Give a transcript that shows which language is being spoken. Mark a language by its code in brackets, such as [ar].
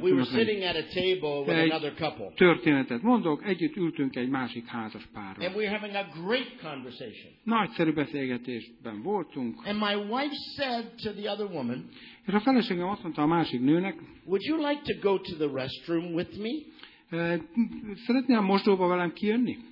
[en] We were sitting at a table with another couple. [hu] Történetet mondok, együtt ültünk egy másik házas párral. [en] And we were having a great conversation. [hu] Nagyszerű beszélgetésben voltunk. [en] And my wife said to the other woman, [hu] és a feleségem azt mondta a másik nőnek, [en] would you like to go to the restroom with me? [hu] Szeretnél a mosdóba velem kijönni?